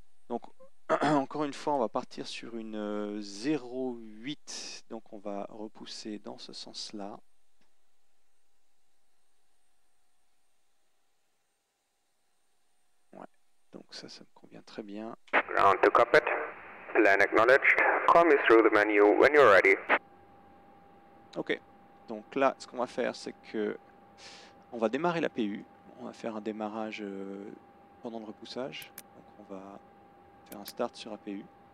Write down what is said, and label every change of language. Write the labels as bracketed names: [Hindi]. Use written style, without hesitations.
[French] Donc encore une fois, on va partir sur une 08. Donc on va repousser dans ce sens-là. Ouais, donc ça me convient très bien. [English] Ground to cockpit. Plan acknowledged. Call me through the menu when you're ready. [French] Ok, donc là, ce qu'on va faire, c'est que on va démarrer la PU. On va faire un démarrage pendant le repoussage. Donc, on va faire un start sur APU.